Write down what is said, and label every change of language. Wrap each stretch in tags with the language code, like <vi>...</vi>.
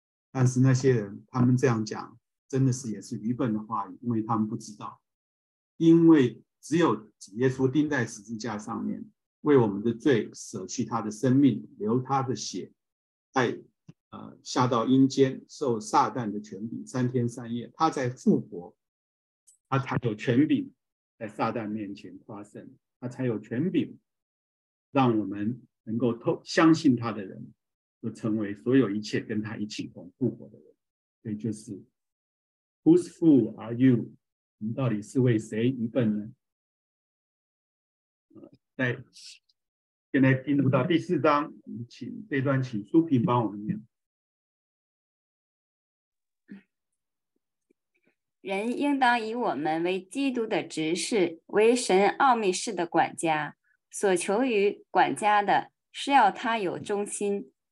<zh>但是那些人，他们这样讲真的是也是愚笨的话语，因为他们不知道，因为只有耶稣钉在十字架上面，为我们的罪舍去他的生命，流他的血，在下到阴间受撒旦的权柄三天三夜，他在复活，他才有权柄在撒旦面前夸胜，他才有权柄让我们能够相信他的人就成为所有一切跟他一起同复活的人。所以就是</zh> <en>Whose fool are you?</en> <zh>我们到底是为谁愚笨呢？现在进入到第四章，请这段请苏萍帮我们念。人应当以我们为基督的执事，为神奥秘事的管家，所求于管家的是要他有忠心。</zh>